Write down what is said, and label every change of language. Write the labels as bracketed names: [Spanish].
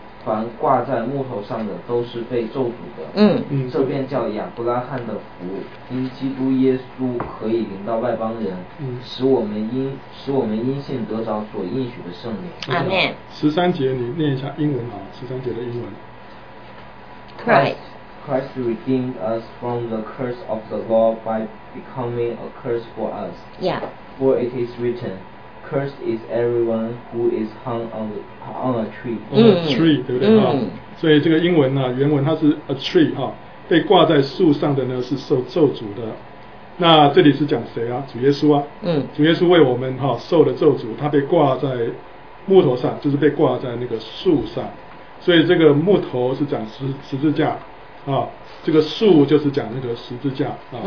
[Chinese] 凡挂在木头上的都是被咒诅的。嗯，这便叫亚伯拉罕的福，因基督耶稣可以领到外邦人，使我们因信得着所应许的圣灵。阿门。十三节你念一下英文好，十三节的英文。 [English] Christ redeemed us from the curse of the law by becoming a curse for us. Yeah. For it is written. Cursed is everyone who is hung on a tree. On a tree, [Chinese] 对不对？所以这个英文呢，原文它是 [English] a tree [Chinese] 哈，被挂在树上的呢是受咒诅的。那这里是讲谁啊？主耶稣啊。嗯。主耶稣为我们哈受了咒诅，他被挂在木头上，就是被挂在那个树上。所以这个木头是讲十字架。啊，这个树就是讲那个十字架啊。